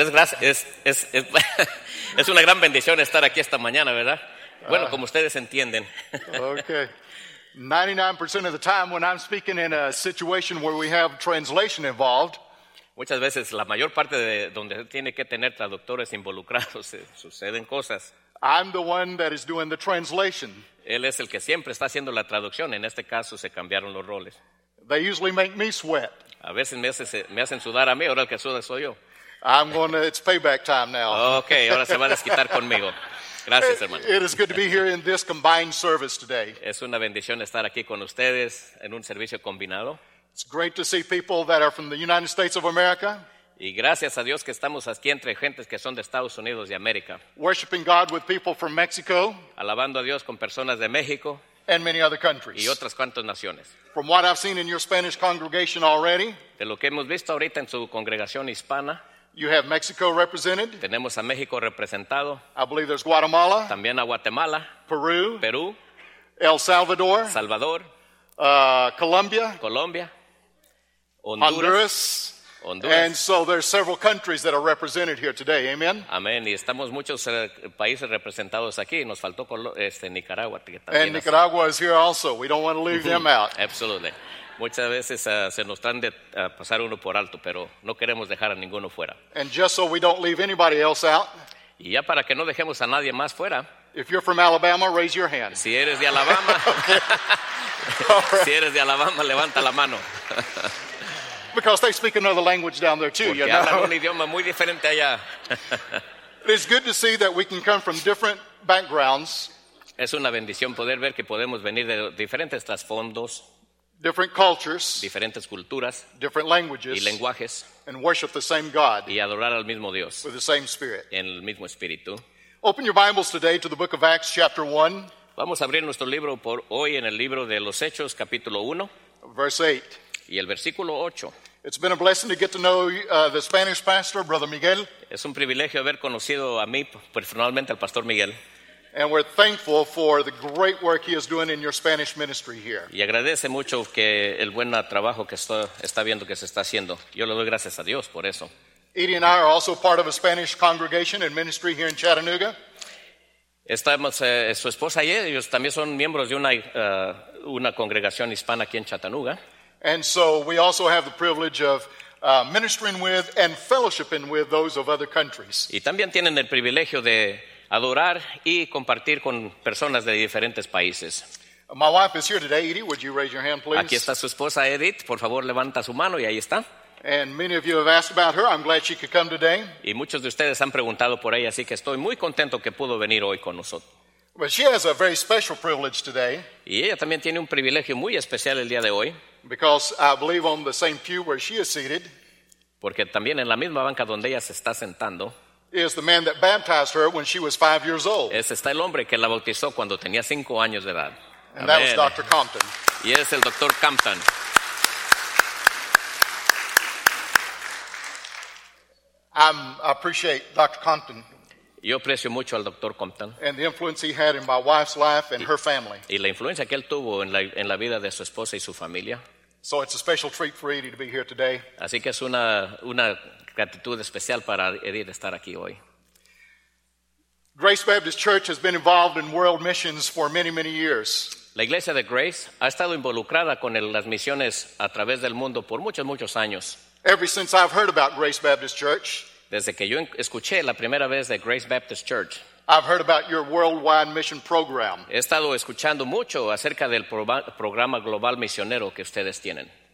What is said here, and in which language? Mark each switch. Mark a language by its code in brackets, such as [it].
[es] Es una gran bendición estar aquí esta mañana, ¿verdad? Bueno, como ustedes entienden. [en] Okay. 99% of the time when I'm speaking in a situation where we have translation involved. [es] Muchas veces, la mayor parte de donde tiene que tener traductores involucrados, suceden cosas. [en] I'm the one that is doing the translation. [es] Él es el que siempre está haciendo la traducción. En este caso, se cambiaron los roles. [en] They usually make me sweat. [es] A veces me hacen sudar a mí, ahora el que suda soy yo. [en] It's payback time now. [es] Okay, ahora se va a desquitar conmigo. Gracias, hermano. [en] It is good to be here in this combined service today. [es] Es una bendición estar aquí con ustedes en un servicio combinado. [en] It's great to see people that are from the United States of America. [es] Y gracias a Dios que estamos aquí entre gentes que son de Estados Unidos y América. [en] Worshiping God with people from Mexico. [es] Alabando a Dios con personas de México. [en] And many other countries. [es] Y otras cuantas naciones. [en] From what I've seen in your Spanish congregation already. [es] De lo que hemos visto ahorita en su congregación hispana. [en] You have Mexico represented. [es] Tenemos a México representado. [en] I believe there's Guatemala. [es] También a Guatemala. [en] Peru. [es] Perú. [en] El Salvador. [es] Salvador. [en] Colombia. [es] Colombia. [en] Honduras. [es] Honduras. Honduras. [en] And so there's several countries that are represented here today. Amen. [es] Amen. Y estamos muchos países representados aquí. Nos faltó Nicaragua. [en] And Nicaragua is here also. We don't want to leave them out. Absolutely. [es] Muchas veces se nos están de pasar uno por alto, pero no queremos dejar a ninguno fuera. [en] And just so we don't leave anybody else out. [es] Y ya para que no dejemos a nadie más fuera. [en] If you're from Alabama, raise your hand. [es] Si eres de Alabama. [en] Okay. [es] Right. Si eres de Alabama, levanta la mano. [en] Because they speak another language down there too, [es] porque [en] you know. [es] Hablan un idioma muy diferente allá. [en] It is good to see that we can come from different backgrounds. [es] Es una bendición poder ver que podemos venir de diferentes trasfondos. [en] Different cultures. [es] Diferentes culturas. [en] Different languages. [es] Y lenguajes. [en] And worship the same God. [es] Y adorar al mismo Dios. [en] With the same spirit. [es] En el mismo espíritu. [en] Open your Bibles today to the book of Acts chapter 1. [es] Vamos a abrir nuestro libro por hoy en el libro de los Hechos, capítulo 1. [en] Verse 8. [es] Y el versículo 8. [en] It's been a blessing to get to know the Spanish pastor, Brother Miguel. [es] Es un privilegio haber conocido a mí personalmente al Pastor Miguel. [en] And we're thankful for the great work he is doing in your Spanish ministry here. [es] Y agradece mucho que el buen trabajo que está viendo que se está haciendo. Yo le doy gracias a Dios por eso. [en] Edie and I are also part of a Spanish congregation and ministry here in Chattanooga. [es] Estamos su esposa y ellos también son miembros de una congregación hispana aquí en Chattanooga. [en] And so we also have the privilege of ministering with and fellowshipping with those of other countries. [es] Y también tienen el privilegio de adorar y compartir con personas de diferentes países. [en] My wife is here today, Edie. Would you raise your hand, please? [es] Aquí está su esposa, Edith. Por favor, levanta su mano y ahí está. [en] And many of you have asked about her. I'm glad she could come today. [es] Y muchos de ustedes han preguntado por ella, así que estoy muy contento que pudo venir hoy con nosotros. [en] But she has a very special privilege today. [es] Y ella también tiene un privilegio muy especial el día de hoy. [en] Because I believe on the same pew where she is seated. [es] Porque también en la misma banca donde ella se está sentando. [en] Is the man that baptized her when she was 5 years old. [es] Ese está el hombre que la bautizó cuando tenía 5 años de edad. [en] And amen. That was Dr. Compton. [es] Y es el Dr. Compton. [en] I appreciate Dr. Compton. [es] Yo aprecio mucho al Dr. Compton. [en] And the influence he had in my wife's life and her family. [es] Y la influencia que él tuvo en la vida de su esposa y su familia. [en] So it's a special treat for Edie to be here today. [es] Así que es una gratitud especial para Edith estar aquí hoy. [en] Grace Baptist Church has been involved in world missions for many, many years. [es] La Iglesia de Grace ha estado involucrada con las misiones a través del mundo por muchos, muchos años. [en] Ever since I've heard about Grace Baptist Church, [es] desde que yo escuché la primera vez de Grace Baptist Church, [en] I've heard about your worldwide mission program. [es] He estado escuchando mucho acerca del programa global misionero que ustedes tienen.